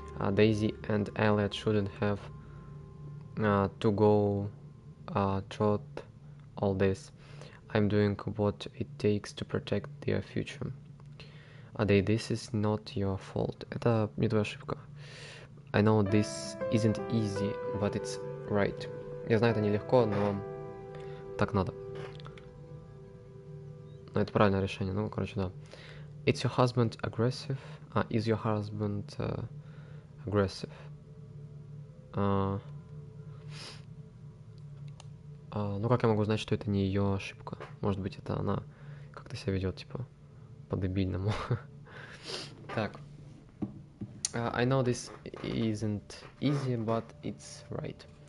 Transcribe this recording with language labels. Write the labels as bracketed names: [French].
[English] Дейзи and Elliot shouldn't have to go through all this. I'm doing what it takes to protect their future. Adey, this is not your fault. [Russian] Это не твоя ошибка. [English] I know this isn't easy, but it's right. [Russian] Я знаю, это нелегко, но так надо. Но это правильное решение. Ну, короче, да. [English] It's your husband aggressive? Is your husband aggressive? [Russian] Ну как я могу знать, что это не ее ошибка? Может быть, это она как-то себя ведет, типа, по-дебильному. Так. [English] I know this isn't easy, but it's right.